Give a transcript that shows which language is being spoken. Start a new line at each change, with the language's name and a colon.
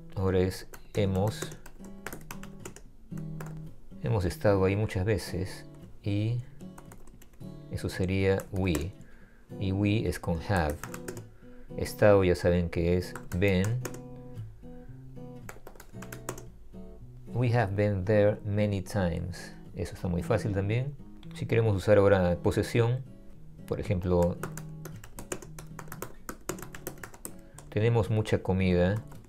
Spanish: Ahora es hemos estado ahí muchas veces y eso sería we. Y we es con have. Estado ya saben que es been.
English: We have been there many times.
Spanish: Eso está muy fácil también. Si queremos usar ahora posesión, por ejemplo, tenemos mucha comida.